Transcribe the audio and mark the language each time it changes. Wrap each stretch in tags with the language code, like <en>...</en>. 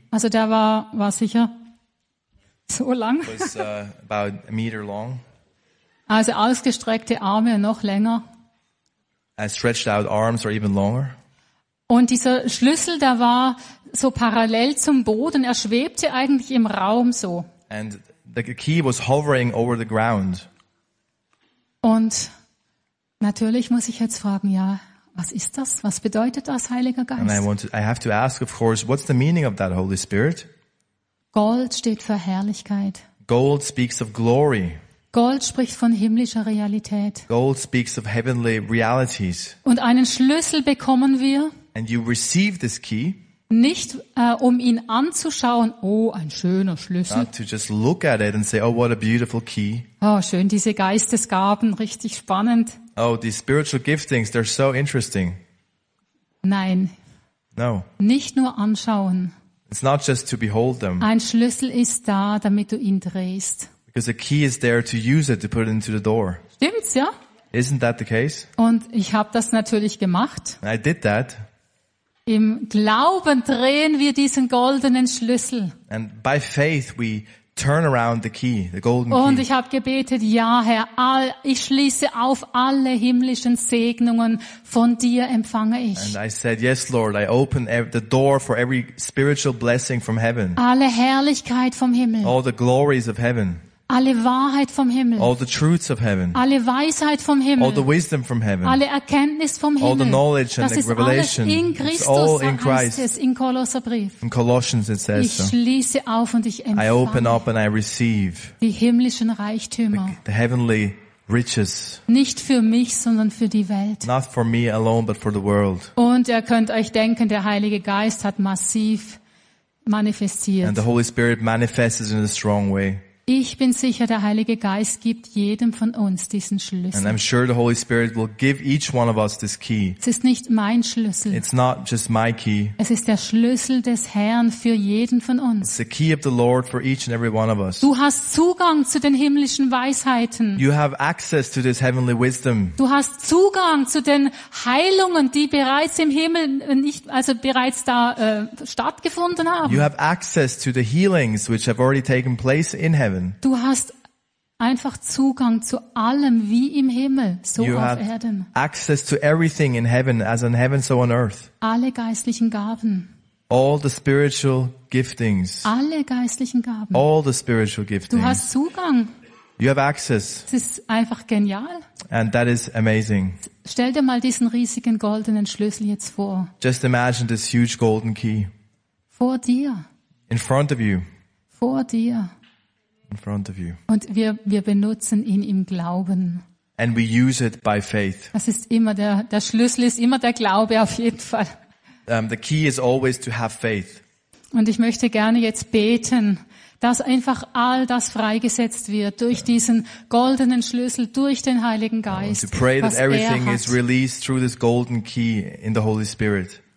<de>Also der war sicher so lang.</de> <en>It was about a meter long.</en> <de>Also ausgestreckte Arme noch länger.</de> <en>I stretched out arms or even longer.</en> <de>Und dieser Schlüssel, der war so parallel zum Boden. Er schwebte eigentlich im Raum so.</de> <en>And the key was hovering over the ground.</en> <de>Und natürlich muss ich jetzt fragen, ja, was ist das? Was bedeutet das, Heiliger Geist?</de> <en>And I have to ask, of course, what's the meaning of that Holy Spirit?</en> <de>Gold steht für Herrlichkeit.</de> <en>Gold speaks of glory.</en> <de>Gold spricht von himmlischer Realität.</de> <en>Gold speaks of heavenly realities.</en> <de>Und einen Schlüssel bekommen wir.</de> <en>And you receive this key.</en> <de>Nicht, um ihn anzuschauen, oh, ein schöner Schlüssel.</de> <en>Not to just look at it and say, oh, what a beautiful key.</en> <de>Oh, schön, diese Geistesgaben, richtig spannend.</de> <en>Oh, these spiritual giftings, they're so interesting.</en> <de>Nein.</de> <en>No.</en> <de>Nicht nur anschauen.</de> <en>It's not just to behold them.</en> <de>Ein Schlüssel ist da, damit du ihn drehst.</de> <en>Because a key is there to use it, to put it into the door.</en> <de>Stimmt's, ja?</de> <en>Isn't that the case?</en> <de>Und ich habe das natürlich gemacht.</de> <en>I did that.</en> <de>Im Glauben drehen wir diesen goldenen Schlüssel.</de> <en>And by faith we turn around the key, the golden key.</en> <de>Und ich habe gebetet, ja Herr, ich schließe auf alle himmlischen Segnungen, von dir empfange ich.</de> <en>And I said, yes Lord, I open the door for every spiritual blessing from heaven.</en> <de>Alle Herrlichkeit vom Himmel.</de> <en>All the glories of heaven.</en> <de>Alle Wahrheit vom Himmel.</de> <en>All the truths of heaven.</en> <de>Alle Weisheit vom Himmel.</de> <en>All the wisdom from heaven.</en> <de>Alle Erkenntnis vom Himmel.</de> <en>All the knowledge and the revelation.</en> <de>Das ist alles in Christus,</de> <en>it's all in Christ.</en> <de>Heißt es in Kolosserbrief.</de> <en>In Colossians it says so.</en> <de>Ich schließe auf und ich empfange.</de> <en>I open up and I receive.</en> <de>Die himmlischen Reichtümer.</de> <en>The heavenly riches.</en> <de>Nicht für mich, sondern für die Welt.</de> <en>Not for me alone, but for the world.</en> <de>Und ihr könnt euch denken, der Heilige Geist hat massiv manifestiert.</de> <en>And the Holy Spirit manifests in a strong way.</en> <de>Ich bin sicher, der Heilige Geist gibt jedem von uns diesen Schlüssel.</de> <en>And I'm sure the Holy Spirit will give each one of us this key.</en> <de>Es ist nicht mein Schlüssel.</de> <en>It's not just my key.</en> <de>Es ist der Schlüssel des Herrn für jeden von uns.</de> <en>It's the key of the Lord for each and every one of us.</en> <de>Du hast Zugang zu den himmlischen Weisheiten.</de> <en>You have access to this heavenly wisdom.</en> <de>Du hast Zugang zu den Heilungen, die bereits im Himmel nicht, also bereits da stattgefunden haben.</de> <en>You have access to the healings which have already taken place in heaven.</en> <de>Du hast einfach Zugang zu allem wie im Himmel, so</de> <en>you</en> <de>auf Erden.</de> <en>Access to everything in heaven, as in heaven, so on earth.</en> <de>Alle geistlichen Gaben.</de> <en>All the spiritual giftings.</en> <de>Alle geistlichen Gaben.</de> <en>All the spiritual giftings.</en> <de>Du hast Zugang.</de> <en>You have access.</en> <de>Es ist einfach genial.</de> <en>And that is amazing.</en> <de>Stell dir mal diesen riesigen goldenen Schlüssel jetzt vor.</de> <en>Just imagine this huge golden key.</en> <de>Vor dir.</de> <en>In front of you.</en> <de>Vor dir.</de> <en>In front of you.</en> <de>Und wir benutzen ihn im Glauben.</de> <en>And we use it by faith.</en> <de>Das ist immer der Schlüssel ist immer der Glaube auf jeden Fall.</de> <en>The key is always to have faith.</en> <de>Und ich möchte gerne jetzt beten, dass einfach all das freigesetzt wird durch diesen goldenen Schlüssel, durch den Heiligen Geist.</de> <en>To pray that everything is released through this golden key in the Holy Spirit.</en>